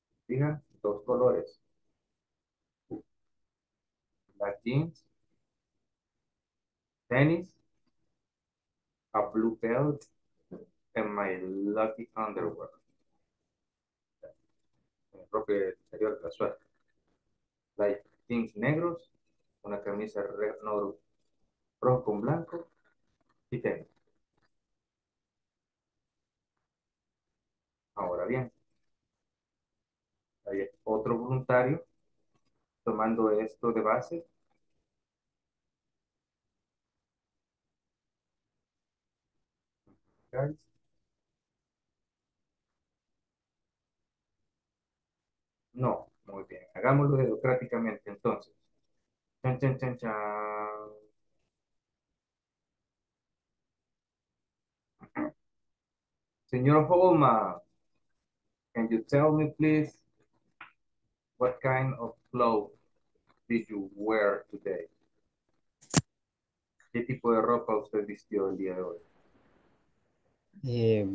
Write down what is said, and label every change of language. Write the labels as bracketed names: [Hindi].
[Spanish] Fija, dos colores. [English] Black jeans, tennis, a blue belt, and my lucky underwear. [Spanish] Mi propio interior casual. Like jeans negros, una camisa red, no, rojo con blanco y tenis. Ahora bien, hay otro voluntario tomando esto de base. [English] Guys. [Spanish] No, muy bien. Hagámoslo democráticamente entonces. Chan, chan, chan, chan. [English] Señor Holma, can you tell me please what kind of clothes did you wear today? [Spanish] ¿Qué tipo de ropa usted vistió el día de hoy?